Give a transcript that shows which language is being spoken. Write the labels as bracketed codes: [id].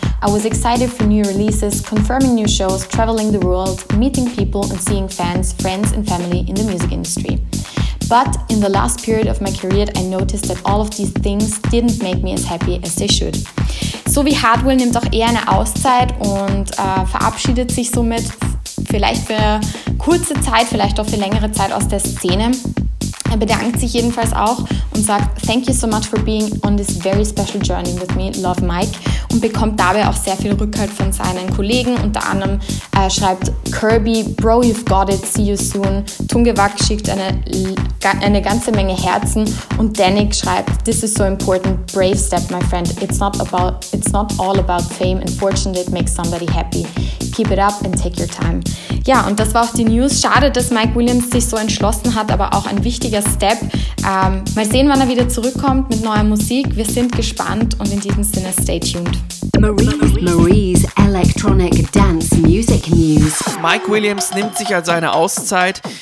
[en] I was excited for new releases, confirming new shows, traveling the world, meeting people and seeing fans, friends and family in the music industry. But in the last period of my career, I noticed that all of these things didn't make me as happy as they should. [de] So wie Hardwell nimmt auch eher eine Auszeit und verabschiedet sich somit vielleicht für kurze Zeit, vielleicht auch für längere Zeit aus der Szene. Er bedankt sich jedenfalls auch und sagt [en] Thank you so much for being on this very special journey with me, love Mike, [de] und bekommt dabei auch sehr viel Rückhalt von seinen Kollegen. Unter anderem schreibt Kirby, [en] Bro, you've got it, see you soon. [de] Tungewak schickt eine ganze Menge Herzen und Danik schreibt [en] This is so important, brave step, my friend. It's not all about fame and fortune that makes somebody happy. Keep it up and take your time. [de] Ja, und das war auch die News. Schade, dass Mike Williams sich so entschlossen hat, aber auch ein wichtiger Step. Mal sehen, wann er wieder zurückkommt mit neuer Musik. Wir sind gespannt und in diesem Sinne [en] stay tuned. Marie's Electronic Dance Music News. [de] Mike Williams nimmt sich also eine Auszeit.